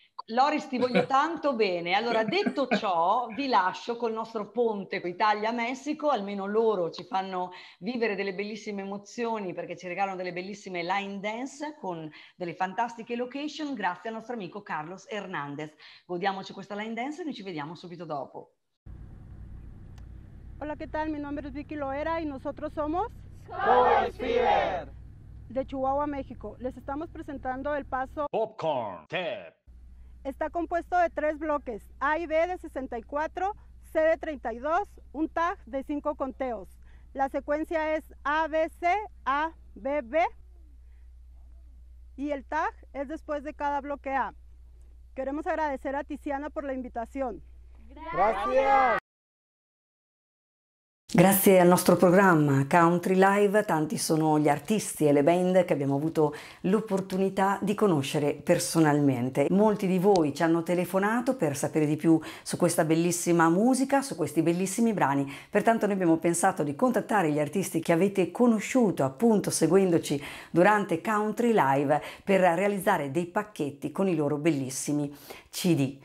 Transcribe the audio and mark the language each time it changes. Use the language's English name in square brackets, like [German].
[Italian] Loris, ti voglio tanto bene. Allora, detto ciò, vi lascio col nostro ponte con Italia-Messico. Almeno loro ci fanno vivere delle bellissime emozioni, perché ci regalano delle bellissime line dance con delle fantastiche location, grazie al nostro amico Carlos Hernandez. Godiamoci questa line dance e noi ci vediamo subito dopo. [Spanish] Hola, ¿qué tal? Mi nombre es Vicky Loera y nosotros somos... ¡Coespiller! ...de Chihuahua, México. Les estamos presentando el paso... [English] Popcorn Tap. [Spanish] Está compuesto de tres bloques, A y B de 64, C de 32, un tag de 5 conteos. La secuencia es A, B, C, A, B, B. Y el tag es después de cada bloque A. Queremos agradecer a Tiziana por la invitación. ¡Gracias! [Italian] Grazie al nostro programma Country Live, tanti sono gli artisti e le band che abbiamo avuto l'opportunità di conoscere personalmente. Molti di voi ci hanno telefonato per sapere di più su questa bellissima musica, su questi bellissimi brani, pertanto noi abbiamo pensato di contattare gli artisti che avete conosciuto appunto seguendoci durante Country Live per realizzare dei pacchetti con i loro bellissimi CD.